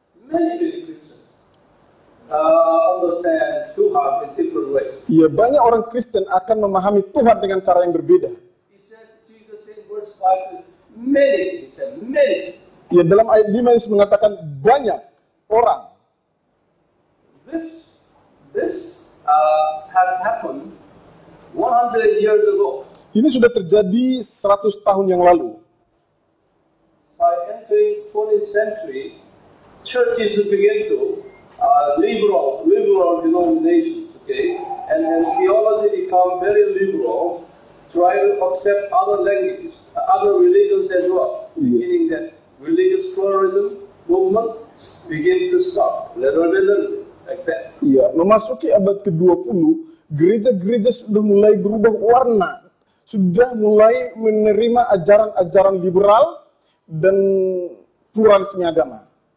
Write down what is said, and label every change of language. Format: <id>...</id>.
<en>Many Christians understand Tuhan in different ways.</en> <id>Iya, banyak orang Kristen akan memahami Tuhan dengan cara yang berbeda.</id> <en>He said Jesus in verse 5, many, he said many.</en> <id>Iya, dalam ayat 5 Yesus mengatakan banyak orang.</id> <en>This had happened 100 years ago.</en> <id>Ini sudah terjadi 100 tahun yang lalu.</id> <en>By entering 20th century, churches begin to liberal denominations, okay? And theology become very liberal, try to accept other languages, other religions as well. Yeah. Meaning that religious pluralism movement begin to start, little like that.</en> <id>Iya, memasuki abad ke-20, gereja-gereja sudah mulai berubah warna, sudah mulai menerima ajaran-ajaran liberal dan pluralisme agama.</id>